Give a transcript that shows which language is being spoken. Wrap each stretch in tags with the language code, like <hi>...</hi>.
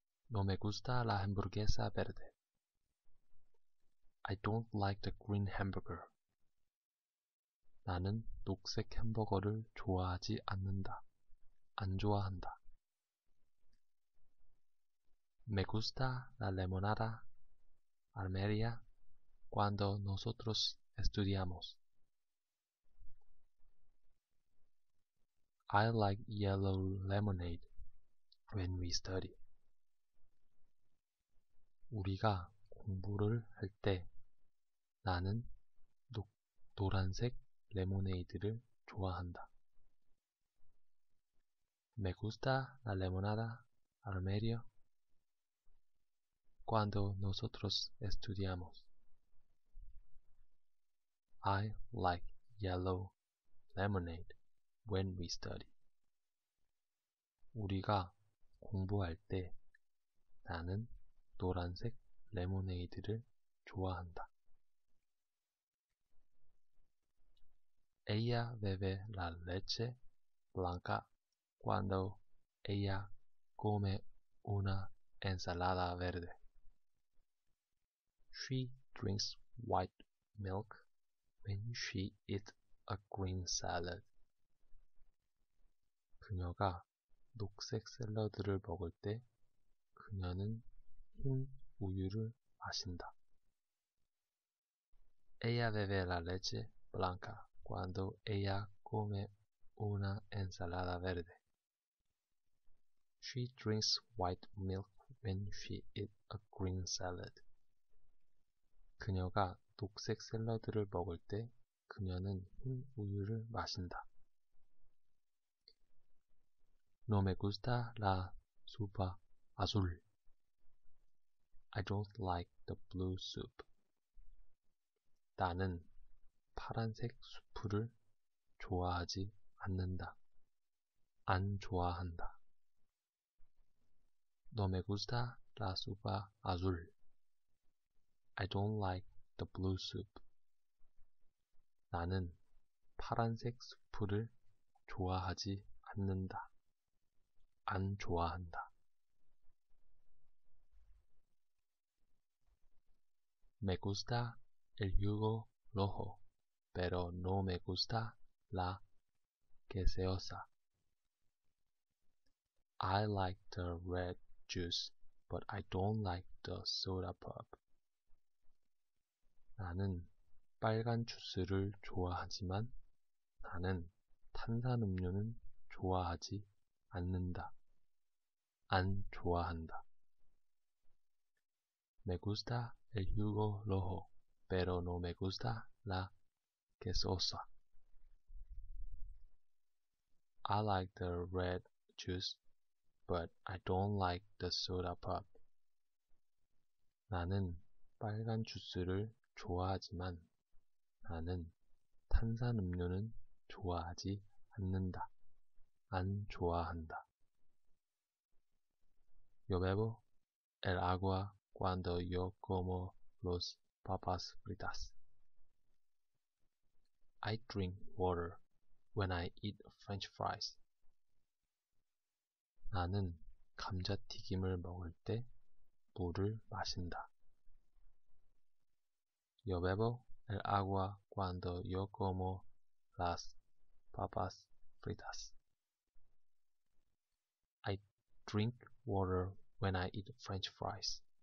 <es>No me gusta la hamburguesa verde.</es> <en>I don't like the green hamburger.</en> <ko>나는 녹색 햄버거를 좋아하지 않는다. 안 좋아한다.</ko> <es>Me gusta la limonada almería cuando nosotros estudiamos.</es> <en>I like yellow lemonade when we study.</en> <ko>우리가 공부를 할 때, 나는 노란색 레모네이드를 좋아한다.</ko> <es>Me gusta la limonada amarilla cuando nosotros estudiamos.</es> <en>I like yellow lemonade when we study.</en> <ko>우리가 공부할 때 나는 노란색 레모네이드를 좋아한다.</ko> <es>Ella bebe la leche blanca cuando ella come una ensalada verde.</es> <en>She drinks white milk when she eats a green salad.</en> <ko>그녀가 녹색 샐러드를 먹을 때 그녀는 흰 우유를 마신다.</ko> <es>Ella bebe la leche blanca cuando ella come una ensalada verde.</es> <en>She drinks white milk when she eats a green salad.</en> <ko>그녀가 녹색 샐러드를 먹을 때 그녀는 흰 우유를 마신다.</ko> <es>No me gusta la sopa azul.</es> <en>I don't like the blue soup.</en> <ko>나는 파란색 수프를 좋아하지 않는다. 안 좋아한다.</ko> <es>No me gusta la sopa azul.</es> <en>I don't like the blue soup.</en> <ko>나는 파란색 수프를 좋아하지 않는다. 안 좋아한다.</ko> <es>Me gusta el jugo rojo, pero no me gusta la gaseosa.</es> <en>I like the red juice, but I don't like the soda pop.</en> <ko>나는 빨간 주스를 좋아하지만 나는 탄산음료는 좋아하지 않는다. 안 좋아한다.</ko> <es>Me gusta el jugo rojo, pero no me gusta la gaseosa.</es> <en>I like the red juice, but I don't like the soda pop.</en> <ko>나는 빨간 주스를 좋아하지만 나는 탄산음료는 좋아하지 않는다. 안 좋아한다.</ko> <es>Yo bebo el agua cuando yo como los papas fritas.</es> <en>I drink water when I eat French fries.</en> <ko>나는 감자튀김을 먹을 때 물을 마신다.</ko> <es>Yo bebo el agua cuando yo como las papas fritas.</es> <en>I drink water when I eat French fries.</en>